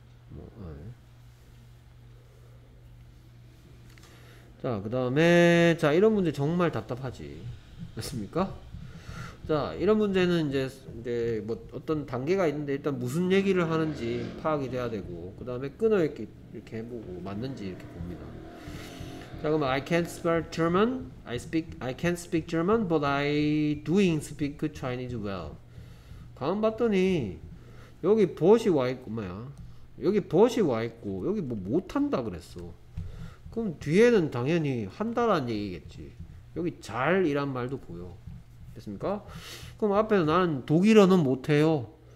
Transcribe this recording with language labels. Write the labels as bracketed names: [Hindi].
[Korean] 뭐, 자, 그 다음에 자 이런 문제 정말 답답하지. 됐습니까? 자, 이런 문제는 이제 뭐 어떤 단계가 있는데 일단 무슨 얘기를 하는지 파악이 돼야 되고 그 다음에 끊어 이렇게 해보고 맞는지 이렇게 봅니다. 자, 그럼 [English] I can't speak German. I can't speak German, but I doing speak Chinese well. [Korean] 가만 봤더니 여기 but이 와 있고 뭐야? 여기 but이 와 있고 여기 뭐 못한다 그랬어. 그럼 뒤에는 당연히 한다라는 얘기겠지. 여기 잘이란 말도 보여. 됐습니까? 그럼 앞에서 나는 독일어는 못해요.